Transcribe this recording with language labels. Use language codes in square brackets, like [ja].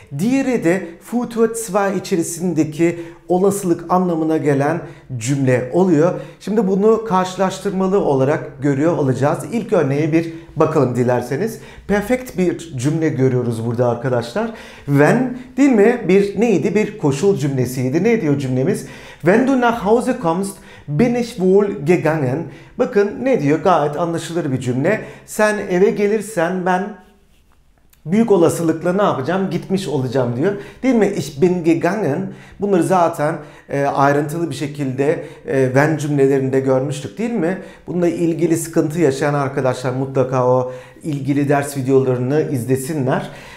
[tr] Diğeri de Futur 2 içerisindeki olasılık anlamına gelen cümle oluyor. Şimdi bunu karşılaştırmalı olarak görüyor olacağız. İlk örneğe bir bakalım dilerseniz. Perfekt bir cümle görüyoruz burada arkadaşlar. Wenn, değil mi? Bir neydi? Bir koşul cümlesiydi. Ne diyor cümlemiz? [de] Wenn du nach Hause kommst, bin ich wohl gegangen. [tr] Bakın ne diyor? Gayet anlaşılır bir cümle. Sen eve gelirsen ben büyük olasılıkla ne yapacağım? Gitmiş olacağım diyor. Değil mi? [de] Ich bin gegangen. [tr] Bunları zaten ayrıntılı bir şekilde wenn cümlelerinde görmüştük, değil mi? Bununla ilgili sıkıntı yaşayan arkadaşlar mutlaka o ilgili ders videolarını izlesinler.